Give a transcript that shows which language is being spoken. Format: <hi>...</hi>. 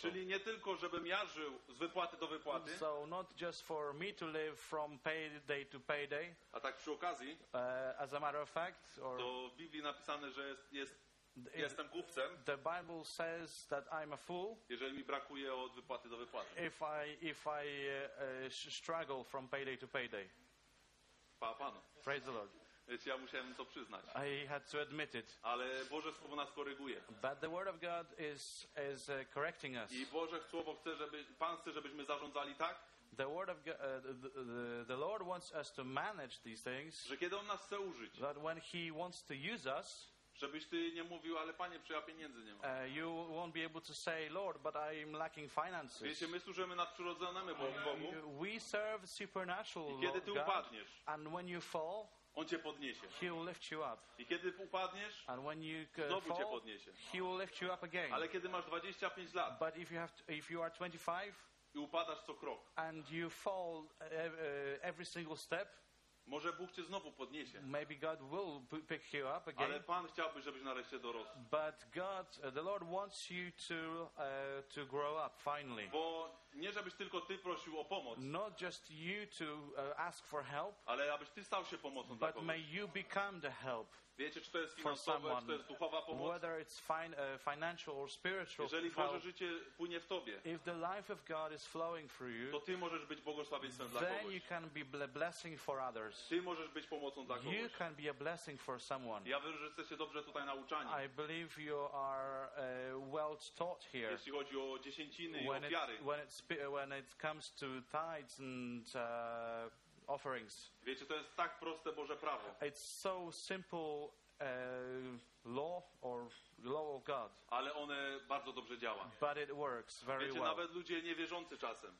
<pl>Czyli nie tylko, żebym ja żył z wypłaty do wypłaty.</pl> <en>So not just for me to live from payday to payday.</en> <pl>A tak przy okazji,</pl> <en>as a matter of fact, or,</en> <pl>to w Biblii napisane, że jest jestem kupcem.</pl> <en>The Bible says that I'm a fool.</en> <pl>Jeżeli mi brakuje od wypłaty do wypłaty.</pl> <en>If I struggle from payday to payday.</en> <pl>Panu.</pl> <en>Praise the Lord.</en> <pl>Wiecie, ja musiałem to przyznać.</pl> <en>I had to admit it.</en> <pl>Ale Boże słowo nas koryguje.</pl> <en>But the word of God is correcting us.</en> <pl>I Boże słowo chce, żeby Pan chce, żebyśmy zarządzali tak.</pl> <en>The word of God, the Lord wants us to manage these things.</en> <pl>Że kiedy On nas chce użyć.</pl> <en>That when He wants to use us.</en> <pl>Żebyś ty nie mówił, ale Panie, ja pieniędzy nie mam.</pl> <en>You won't be able to say, Lord, but I'm lacking finances.</en> <pl>Wiecie, my służymy nadprzyrodzonemu Bogu.</pl> <en>We serve supernatural.</en> <pl>I kiedy ty</pl> <en>God,</en> <pl>upadniesz,</pl> <en>and when you fall,</en> <pl>On cię podniesie.</pl> <en>He will lift you up.</en> <pl>I kiedy upadniesz,</pl> <en>and when you</en> <pl>znowu</pl> <en>fall,</en> <pl>cię podniesie.</pl> <en>He will lift you up again.</en> <pl>Ale kiedy masz 25 lat,</pl> <en>but if you are 25,</en> <pl>i upadasz co krok,</pl> <en>and you fall every single step.</en> <pl>Może Bóg cię znowu podniesie.</pl> <en>Maybe God will pick you up again.</en> <pl>Ale Pan chciałby, żebyś nareszcie dorosł.</pl> <en>But God, the Lord wants you to grow up finally.</en> <pl>Bo nie żebyś tylko ty prosił o pomoc.</pl> <en>Not just you to ask for help.</en> <pl>Ale abyś ty stał się pomocą dla kogoś.</pl> <en>But may you become the help.</en> <pl>Wiecie, czy to jest finansowe, czy to jest duchowa pomoc?</pl> <en>Whether it's financial or spiritual.</en> <pl>Jeżeli Boże życie płynie w tobie.</pl> <en>If the life of God is flowing through you.</en> <pl>To ty możesz być błogosławieństwem dla kogoś.</pl> <en>Then you can be blessing for others.</en> <pl>Ty możesz być pomocą dla kogoś.</pl> <en>You can be a blessing for someone.</en> <pl>Ja wierzę, że jesteście dobrze tutaj nauczani.</pl> <en>I believe you are well taught here.</en> <pl>Jeśli chodzi o dziesięciny</pl> <en>when</en> <pl>i ofiary.</pl> <en>When it comes to tithes and offerings.</en> <pl>Wiecie, to jest tak proste Boże prawo.</pl> <en>It's so simple law or law of God.</en> <pl>Ale one bardzo dobrze działa.</pl> <en>But it works very</en> <pl>wiecie,</pl> <en>well.</en> <pl>Nawet ludzie niewierzący czasem.</pl>